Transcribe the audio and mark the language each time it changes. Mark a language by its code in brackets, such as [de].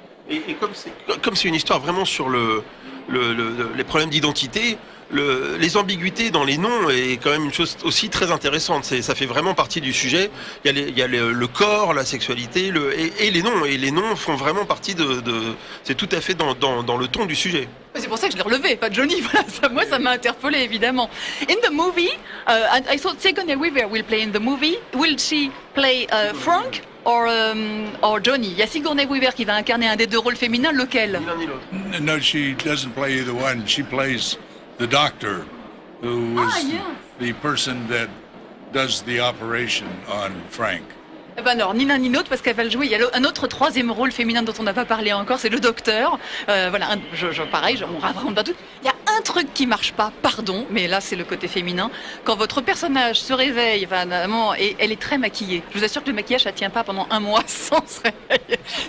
[fr] Et comme c'est une histoire vraiment sur les problèmes d'identité, les ambiguïtés dans les noms est quand même une chose aussi très intéressante. Ça fait vraiment partie du sujet. Il y a le corps, la sexualité et les noms. Et les noms font vraiment partie de c'est tout à fait dans le ton du sujet. C'est pour ça que je l'ai relevé, pas Johnny. Voilà, ça m'a interpellé, évidemment. [en] In the movie, I thought Sigourney Weaver will play in the movie. Will she play Frank or Johnny? [fr] Il y a Sigourney Weaver qui va incarner un des deux rôles féminins. Lequel? Ni l'un ni l'autre. [en] No, she doesn't play either one. She plays the doctor, who is the person that does the operation on Frank. [fr] Eh ben non, ni l'un ni l'autre, parce qu'elle va le jouer. Il y a un autre troisième rôle féminin dont on n'a pas parlé encore, c'est le docteur. Voilà, on raconte pas tout. Il y a un truc qui marche pas, pardon, mais là c'est le côté féminin. Quand votre personnage se réveille, et elle est très maquillée. Je vous assure que le maquillage ça tient pas pendant un mois sans se réveiller.